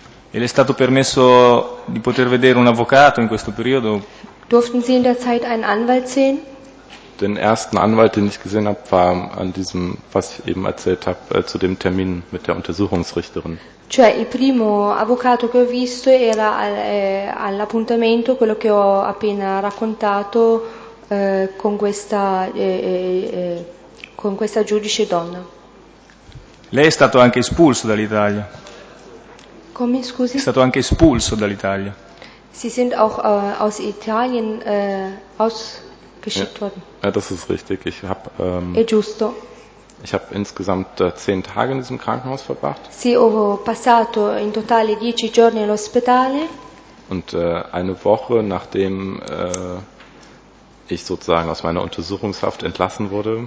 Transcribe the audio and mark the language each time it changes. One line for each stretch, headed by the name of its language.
Italian: E le è stato permesso di poter vedere un avvocato in questo periodo?
German: Durften Sie in der Zeit einen Anwalt sehen? Den ersten Anwalt, den ich gesehen habe, war an diesem, was ich eben erzählt habe, zu dem Termin mit der Untersuchungsrichterin.
Italian: Cioè, il primo avvocato che ho visto era all'appuntamento, quello che ho appena raccontato con questa giudice donna. Lei è stato anche espulso dall'Italia. Come, scusi? È stato anche espulso dall'Italia.
German: Sie sind auch aus Italien ausgeschickt worden. Ja, das ist richtig. Ich habe
Italian: è giusto.
German: Ich habe insgesamt 10 Tage in diesem Krankenhaus verbracht.
Italian: Sì, ho passato in totale 10 giorni all'ospedale.
German: Und eine Woche nachdem ich sozusagen aus meiner Untersuchungshaft entlassen wurde.